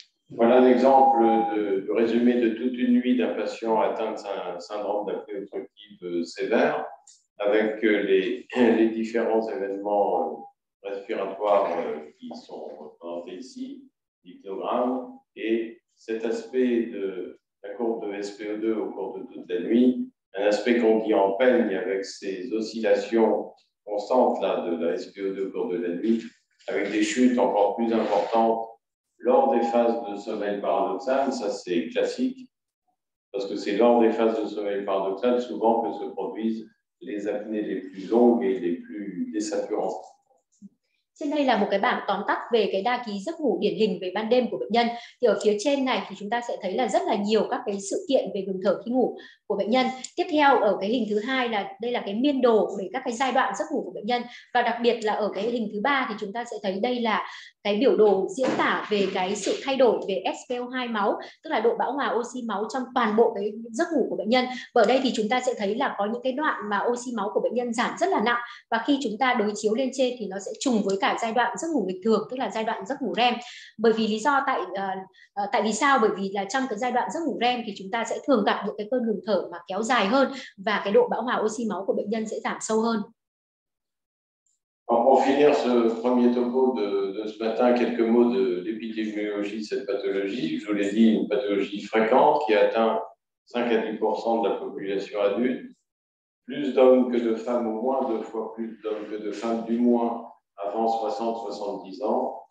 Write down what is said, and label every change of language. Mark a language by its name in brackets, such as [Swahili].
[French] Voilà un exemple de résumé de toute une nuit d'un patient atteint de syndrome d'apnée obstructive sévère. Avec les différents événements respiratoires qui sont représentés ici, l'hypnogramme, et cet aspect de la courbe de SpO2 au cours de toute la nuit, un aspect qu'on dit en peigne avec ces oscillations constantes là, de la SpO2 au cours de la nuit, avec des chutes encore plus importantes lors des phases de sommeil paradoxal, ça c'est classique, parce que c'est lors des phases de sommeil paradoxal souvent que se produisent les apnées les plus longues et les plus désaturantes. [Vietnamese] Trên đây là một cái bảng tóm tắt về cái đa ký giấc ngủ điển hình về ban đêm của bệnh nhân. Thì ở phía trên này thì chúng ta sẽ thấy là rất là nhiều các cái sự kiện về ngừng thở khi ngủ của bệnh nhân. Tiếp theo ở cái hình thứ hai là đây là cái miên đồ về các cái giai đoạn giấc ngủ của bệnh nhân. Và đặc biệt là ở cái hình thứ ba thì chúng ta sẽ thấy đây là cái biểu đồ diễn tả về cái sự thay đổi về SpO2 máu, tức là độ bão hòa oxy máu trong toàn bộ cái giấc ngủ của bệnh nhân. Và ở đây thì chúng ta sẽ thấy là có những cái đoạn mà oxy máu của bệnh nhân giảm rất là nặng, và khi chúng ta đối chiếu lên trên thì nó sẽ trùng với cả giai đoạn giấc ngủ bình thường, tức là giai đoạn giấc ngủ REM. Bởi vì lý do tại tại vì sao? Bởi vì là trong cái giai đoạn giấc ngủ REM thì chúng ta sẽ thường gặp những cái cơn ngừng thở mà kéo dài hơn và cái độ bão hòa oxy máu của bệnh nhân sẽ giảm sâu hơn. [French] Alors pour finir ce premier topo de ce matin, quelques mots de l'épidémiologie de cette pathologie. Je vous l'ai dit, une pathologie fréquente qui atteint 5 à 10% de la population adulte. Plus d'hommes que de femmes, au moins 2 fois plus d'hommes que de femmes, du moins avant 60-70 ans.